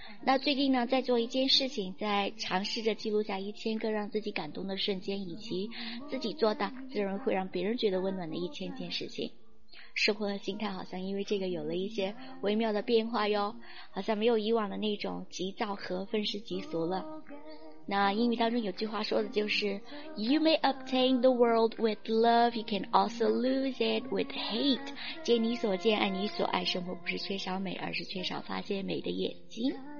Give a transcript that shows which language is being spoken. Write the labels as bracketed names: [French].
[Chinese] 那最近呢，在做一件事情，在尝试着记录下1000个让自己感动的瞬间，以及自己做的自然会让别人觉得温暖的1000件事情。生活的心态好像因为这个有了一些微妙的变化哟，好像没有以往的那种急躁和愤世嫉俗了。那英语当中有句话说的就是 [English] You may obtain the world with love, you can also lose it with hate. [Chinese] 见你所见，爱你所爱，生活不是缺少美，而是缺少发现美的眼睛。